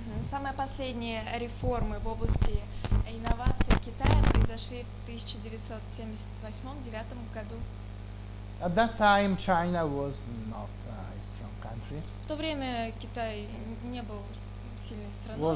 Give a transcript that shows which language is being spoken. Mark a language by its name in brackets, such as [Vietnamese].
[Russian] Самые последние реформы в области инноваций в Китае произошли в 1978-79 году. [English] At that time, China was not a strong country. [Russian] В то время Китай не был сильной страной.